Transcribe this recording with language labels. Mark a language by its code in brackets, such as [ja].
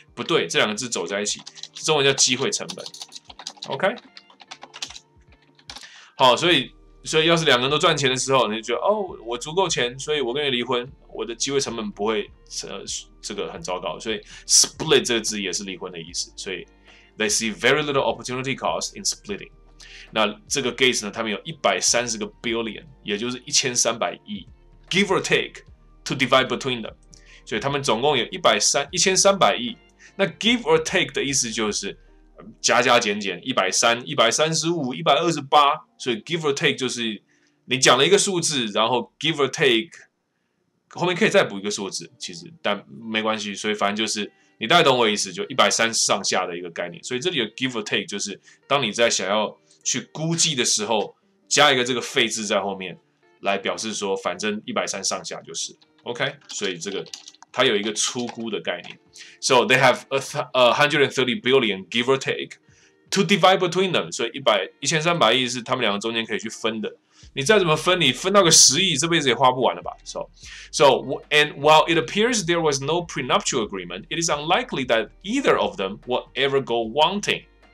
[zh] 不对，这两个字走在一起，中文叫机会成本。OK， 好，所以要是两个人都赚钱的时候，你就觉得哦，我足够钱，所以我跟你离婚，我的机会成本不会这个很糟糕。所以 split 这个字也是离婚的意思。所以 [en] they see very little opportunity cost in splitting。 [zh] 那这个 Gates 呢，他们有130个 billion， 也就是1300亿 ， [en] give or take to divide between them。 [zh] 所以他们总共有1300亿。那 give or take 的意思就是加加减减130 135 128，所以 give or take 就是你讲了一个数字，然后 give or take 后面可以再补一个数字，其实但没关系，所以反正就是你大概懂我意思，就130上下的一个概念。所以这里的 give or take 就是当你在想要去估计的时候，加一个这个费字在后面来表示说反正130上下就是 OK。所以这个它有一个粗估的概念。 [en] So they have $130 billion, give or take, to divide between them. [zh] 所以1300亿是他们两个中间可以去分的。你再怎么分，你分到个十亿，这辈子也花不完了吧。 [en] So, and while it appears there was no prenuptial agreement, it is unlikely that either of them will ever go wanting.